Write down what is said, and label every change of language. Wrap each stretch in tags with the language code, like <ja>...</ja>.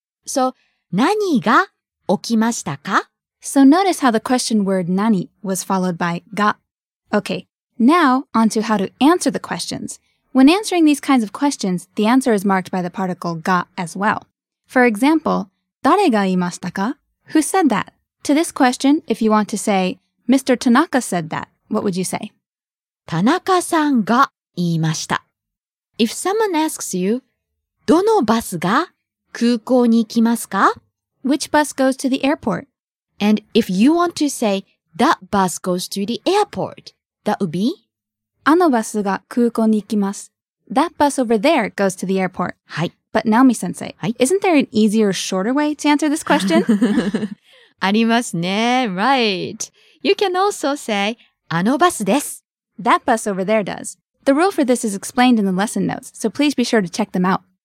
<ja>So 何が起きましたか?</ja> <en>So notice how the question word 何 was followed by が. Okay, now on to how to answer the questions. When answering these kinds of questions, the answer is marked by the particle が as well. For example,</en> <ja>誰が言いましたか?</ja> <en>Who said that? To this question, if you want to say, Mr. Tanaka said that, what would you say?</en> <ja>田中さんが言いました.</ja> <en>If someone asks you,</en> <ja>どのバスが空港に行きますか?</ja> <en>Which bus goes to the airport? And if you want to say, that bus goes to the airport, that would be?</en> <ja>あのバスが空港に行きます。</ja> <en>That bus over there goes to the airport.</en> <ja>はい。</ja> <en>But Naomi-sensei, はい。 Isn't there an easier, shorter way to answer this question?</en> <ja>ありますね。</ja> <en>Right. You can also say,</en> <ja>あのバスです。</ja> <en>That bus over there does. The rule for this is explained in the lesson notes, so please be sure to check them out.</en>